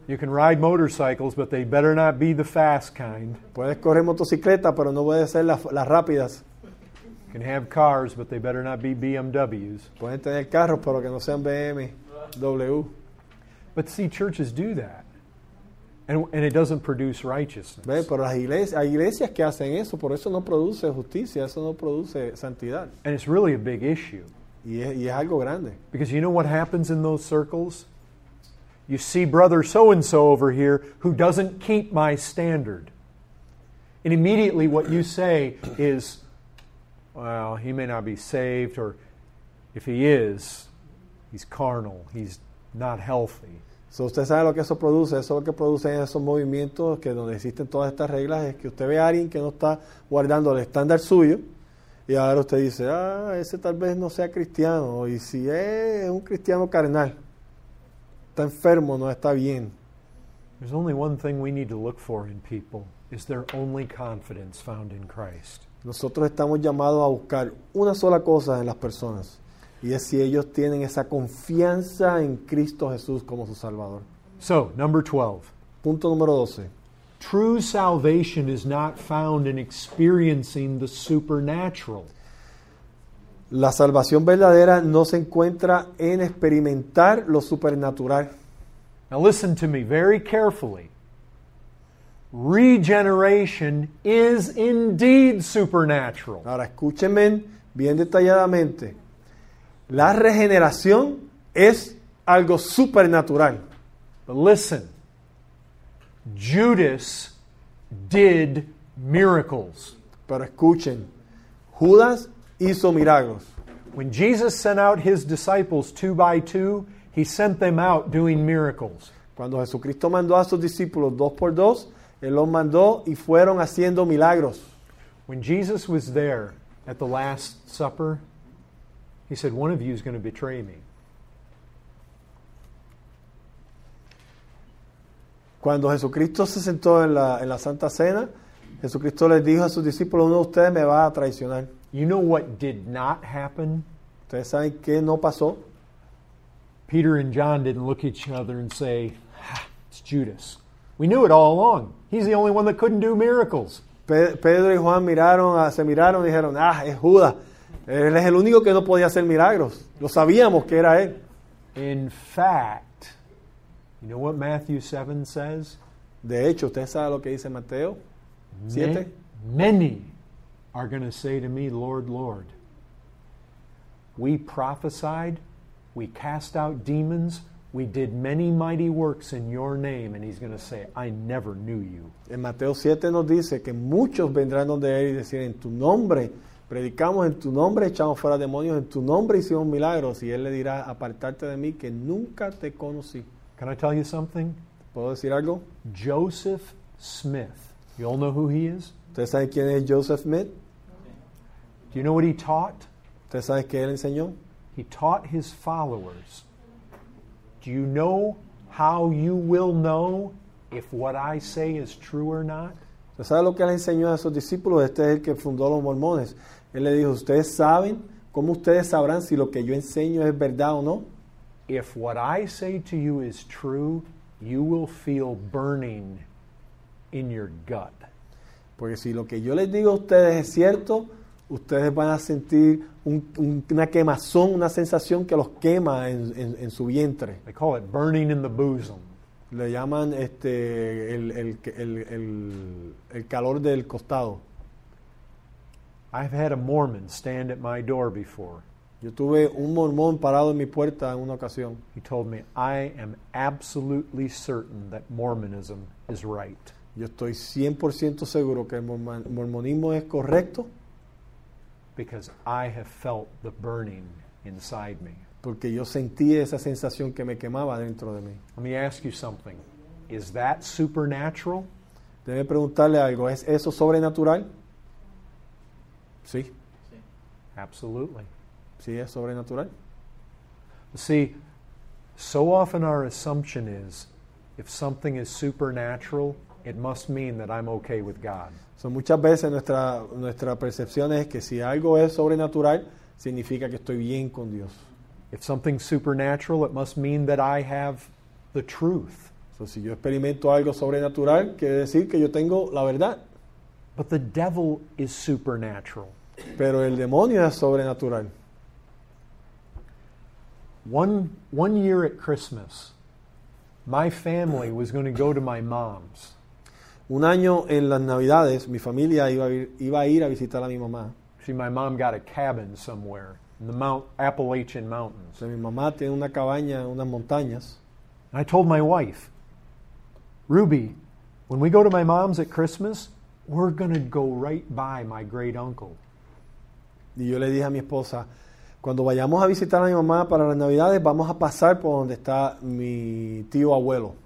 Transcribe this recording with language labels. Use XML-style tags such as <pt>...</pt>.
<en>You can ride motorcycles, but they better not be the fast kind.</en> <es>Puedes correr motocicleta, pero no puedes ser las rápidas.</es> <en>You can have cars, but they better not be BMWs.</en> <es>Pueden tener carros, pero que no sean BMW.</es> <en>But see, churches do that. And it doesn't produce righteousness.</en> <es>Ve, pero hay iglesias que hacen eso, por eso no produce justicia, eso no produce santidad.</es> <en>And it's really a big issue.</en> <es>Y es algo grande.</es> <en>Because you know what happens in those circles? You see brother so-and-so over here who doesn't keep my standard. And immediately what you say is, well, he may not be saved, or if he is, he's carnal, he's not healthy.</en> <es>So usted sabe lo que eso produce. Eso es lo que produce en esos movimientos que donde existen todas estas reglas es que usted ve a alguien que no está guardando el estándar suyo. Y ahora usted dice, ah, ese tal vez no sea cristiano. Y si es un cristiano carnal. Está enfermo, no está bien.</es> <en>There's only one thing we need to look for in people, is their only confidence found in Christ.</en> <es>Nosotros estamos llamados a buscar una sola cosa en las personas, y es si ellos tienen esa confianza en Cristo Jesús como su Salvador.</es> <en>So, number 12.</en> <es>Punto número 12.</es> <en>True salvation is not found in experiencing the supernatural.</en> <es>La salvación verdadera no se encuentra en experimentar lo supernatural.</es> <en>Now listen to me very carefully. Regeneration is indeed supernatural.</en> <es>Ahora escúchenme bien detalladamente. La regeneración es algo supernatural.</es> <en>But listen. Judas did miracles.</en> <es>Pero escuchen. Judas hizo milagros.</es> <en>When Jesus sent out his disciples two by two, he sent them out doing miracles.</en> <es>Cuando Jesucristo mandó a sus discípulos dos por dos, él los mandó y fueron haciendo milagros.</es> <en>When Jesus was there at the Last Supper, he said, one of you is going to betray me.</en> <es>Cuando Jesucristo se sentó en la Santa Cena, Jesucristo les dijo a sus discípulos, uno de ustedes me va a traicionar.</es> <en>You know what did not happen?</en> <es>¿Ustedes saben qué no pasó?</es> <en>Peter and John didn't look at each other and say, it's Judas. We knew it all along. He's the only one that couldn't do miracles.</en> <es>Pedro y Juan se miraron y dijeron, es Judas. Él es el único que no podía hacer milagros. Lo sabíamos que era él.</es> <en>In fact, you know what Matthew 7 says?</en> <es>De hecho, ¿usted sabe lo que dice Mateo 7?</es> <en>Many are going to say to me, Lord, Lord, we prophesied, we cast out demons, we did many mighty works in your name, and he's going to say, I never knew you.</en> <es>En Mateo 7 nos dice que muchos vendrán donde él y decir, en tu nombre, predicamos en tu nombre, echamos fuera demonios, en tu nombre hicimos milagros, y él le dirá, apartarte de mí, que nunca te conocí.</es> <en>Can I tell you something?</en> <es>¿Puedo decir algo?</es> <en>Joseph Smith, you all know who he is?</en> <es>¿Ustedes saben quién es Joseph Smith?</es> <en>Do you know what he taught?</en> <es>¿Ustedes saben qué él enseñó?</es> <en>He taught his followers, do you know how you will know if what I say is true or not?</en> <es>¿Ustedes saben lo que él enseñó a sus discípulos? Este es el que fundó los mormones. Él le dijo, ¿ustedes saben cómo ustedes sabrán si lo que yo enseño es verdad o no?</es> <en>If what I say to you is true, you will feel burning in your gut.</en> <es>Porque si lo que yo les digo a ustedes es cierto, ustedes van a sentir una quemazón, una sensación que los quema en su vientre.</es> <en>They call it burning in the bosom.</en> <es>Le llaman el calor del costado.</es> <en>I've had a Mormon stand at my door before.</en> <es>Yo tuve un mormón parado en mi puerta en una ocasión.</es> <en>He told me, I am absolutely certain that Mormonism is right.</en> <es>Yo estoy 100% seguro que el mormonismo es correcto.</es> <en>Because I have felt the burning inside me.</en> <es>Porque yo sentí esa sensación que me quemaba dentro de mí.</es> <en>Let me ask you something. Is that supernatural?</en> <es>Debe preguntarle algo. ¿Es eso sobrenatural? Sí.</es> <en>Absolutely.</en> <es>Sí, es sobrenatural.</es> <en>See, so often our assumption is, if something is supernatural, it must mean that I'm okay with God.</en> <es>So muchas veces nuestra percepción es que si algo es sobrenatural, significa que estoy bien con Dios.</es> <en>If something's supernatural, it must mean that I have the truth.</en> <es>So si yo experimento algo sobrenatural, quiere decir que yo tengo la verdad.</es> <en>But the devil is supernatural.</en> <es>Pero el demonio es sobrenatural.</es> <en>One year at Christmas, my family was going to go to my mom's.</en> <es>Un año en las Navidades, mi familia iba a ir a visitar a mi mamá.</es> <en>See, my mom got a cabin somewhere. Appalachian Mountains.</en> <es>Mi mamá tiene una cabaña en unas montañas.</es> <en>And I told my wife, Ruby, when we go to my mom's at Christmas, we're going to go right by my great uncle.</en> <es>Y yo le dije a mi esposa, cuando vayamos a visitar a mi mamá para las Navidades, vamos a pasar por donde está mi tío abuelo.</es>